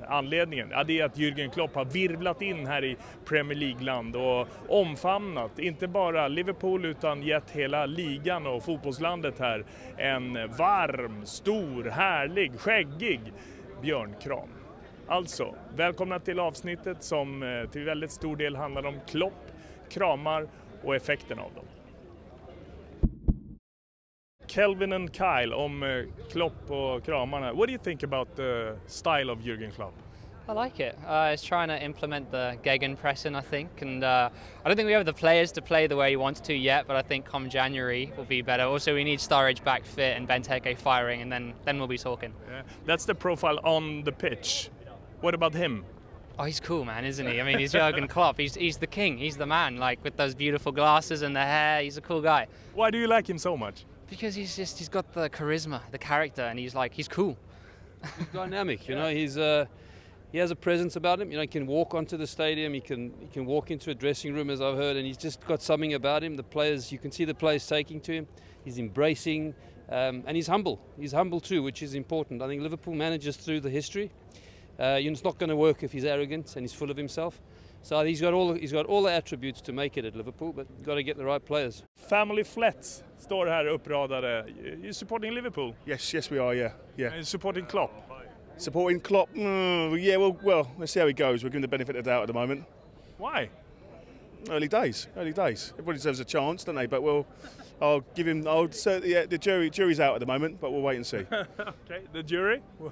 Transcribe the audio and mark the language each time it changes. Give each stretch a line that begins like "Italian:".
Swedish: Anledningen är att Jürgen Klopp har virvlat in här i Premier League-land och omfamnat inte bara Liverpool utan gett hela ligan och fotbollslandet här en varm, stor, härlig, skäggig björnkram. Alltså, välkomna till avsnittet som till väldigt stor del handlar om Klopp, kramar och effekten av dem. Kelvin and Kyle om Klopp och kramarna.
English: What do you think about the style of Jürgen Klopp? I like it. He's trying to implement the gegenpressing, I think. And I don't think we have the players to play the way he wants to yet, but I think come January will be better. Also, we need Sturridge back fit and Benteke firing, and then we'll be talking. Yeah. That's the profile on the pitch. What about him? Oh, he's cool, man, isn't he? I mean, he's Jürgen Klopp. He's the king. He's the man, like, with those beautiful glasses and the hair. He's a cool guy. Why do you like him so much? Because he's got the charisma, the character, and he's like, he's cool. He's dynamic, you know, he has a presence about him. You know, he can walk onto the stadium, he can walk into a dressing room, as I've heard, and he's just got something about him. The players, you can see the players taking to him. He's embracing, and he's humble. He's humble too, which is important. I think Liverpool manages through the history. You know, it's not going to work if he's arrogant and he's full of himself. So he's got all the attributes to make it at Liverpool, but you've got to get the right players.
Swedish: Family flat står här uppradade.
English: You supporting Liverpool? Yes, we are. Yeah. And supporting Klopp. Supporting Klopp. Well, let's see how he goes. We're giving the benefit of the doubt at the moment. Why? Early days. Everybody deserves a chance, don't they? But we'll, I'll give him. I'll say, yeah, the jury's out at the moment, but we'll wait and see. Okay, the jury.